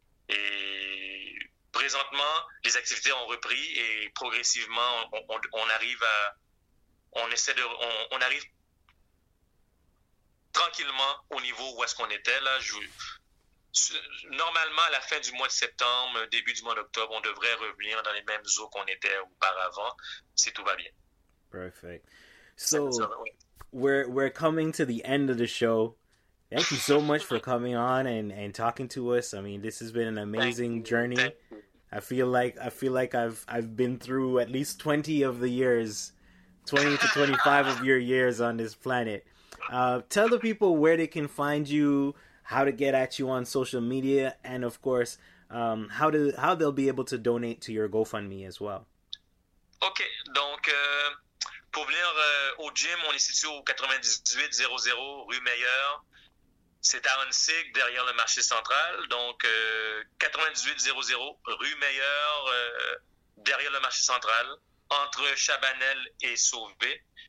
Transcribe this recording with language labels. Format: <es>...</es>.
<fr>Et présentement, les activités ont repris et progressivement, on arrive tranquillement au niveau où est-ce qu'on était. Là, normalement, à la fin du mois de septembre, début du mois d'octobre, on devrait revenir dans les mêmes eaux qu'on était auparavant, si tout va bien.</fr> <en>Perfect. So, we're coming to the end of the show. Thank you so much for coming on and talking to us. I mean, this has been an amazing journey. I feel like I've been through at least 20 of the years, 20 to 25 of your years on this planet. Tell the people where they can find you, how to get at you on social media, and of course, how they'll be able to donate to your GoFundMe as well.</en> <fr>Okay, donc pour venir au gym, on est situé au 9800 rue Meilleur. C'est à Hunsic, derrière le marché central. Donc, 9800 rue Meilleur, derrière le marché central, entre Chabanel et Sauvé.</fr>